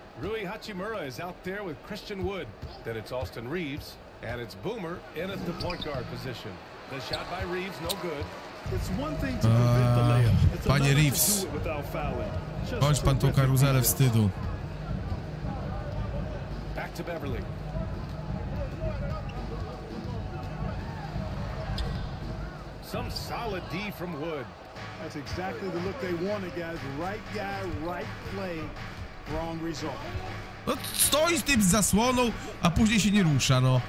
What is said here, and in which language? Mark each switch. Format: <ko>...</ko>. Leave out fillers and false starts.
<en>Rui Hachimura is out there with Christian Wood. Then it's Austin Reeves. And it's Boomer in at the point guard position. The shot by Reeves, no good. It's one thing to prevent the layup.</en> <pl>Panie Reeves, bądź pan tą karuzelę wstydu.</pl> <en>Back to Beverly. Some solid D from Wood. That's exactly the look they wanted, guys. Right guy, right play, wrong result.</en> <pl>No, stoi z tym zasłoną, a później się nie rusza, no.</pl>